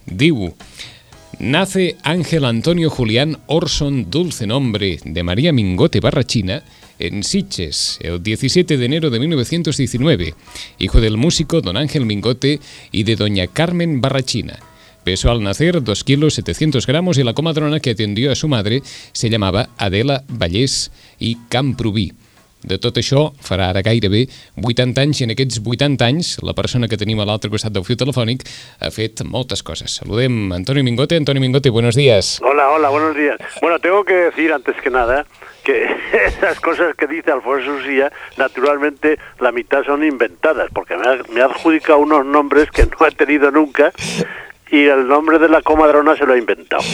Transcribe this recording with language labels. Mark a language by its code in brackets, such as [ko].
[ca] Diu: [es] "Nace Ángel Antonio Julián Orson, dulce nombre de María Mingote Barrachina, en Sitges, el 17 de enero de 1919, hijo del músico don Ángel Mingote y de doña Carmen Barrachina. Pesó al nacer 2 kilos 700 gramos y la comadrona que atendió a su madre se llamaba Adela Vallés y Camprubí. [ca] De tot això, farà ara gairebé 80 anys, i en aquests 80 anys, la persona que tenim a l'altre costat del fiu telefònic ha fet moltes coses. Saludem Antonio Mingote. [es] Antonio Mingote, buenos días. Hola, hola, buenos días. Bueno, tengo que decir antes que nada que esas cosas que dice Alfonso Ucía, naturalmente la mitad son inventadas, porque me ha adjudicado unos nombres que no he tenido nunca, y el nombre de la comadrona se lo ha inventado.